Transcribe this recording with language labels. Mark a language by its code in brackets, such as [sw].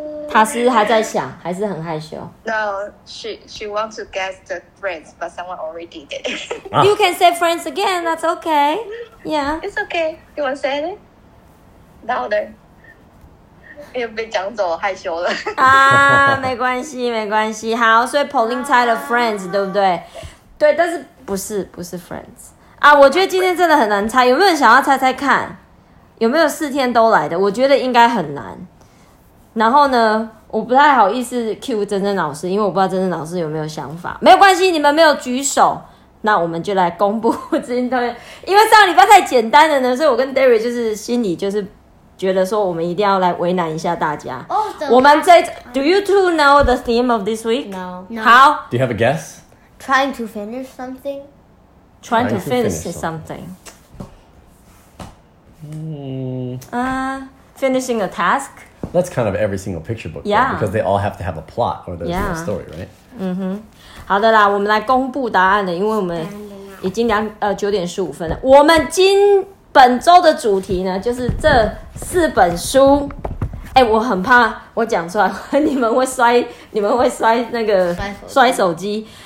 [zh] 他是还在想，还是很害羞。 [en] No, she wants to guess the friends, but someone already did it. You can say friends again. That's okay. Yeah, it's okay. You want to say it louder? [zh] 又被讲走，害羞了。啊，没关系，没关系。好，所以 Pauline 猜了 friends， 对不对？对，但是不是 friends。啊，我觉得今天真的很难猜，有没有人想要猜猜看？有没有四天都来的？我觉得应该很难。然后呢，我不太好意思 cue 真正老师，因为我不知道真正老师有没有想法。没有关系，你们没有举手，那我们就来公布今天。因为上礼拜太简单了呢，所以我跟 Derry 就是心里就是觉得说，我们一定要来为难一下大家。 [en] Oh, the [zh] 我们这 [en] Do you two know the theme of this week? No. [zh] 好 [en] ，Do you have a guess? Trying to finish something. Trying to finish something. Finishing a task. That's kind of every single picture book. Yeah. Right? Because they all have to have a plot or there's a story, right? Mm-hmm. [zh] 好的啦，我们来公布答案了，因为我们已经9:15了。我们今本周的主题呢，就是这四本书。哎，我很怕我讲出来，你们会摔那个摔手机。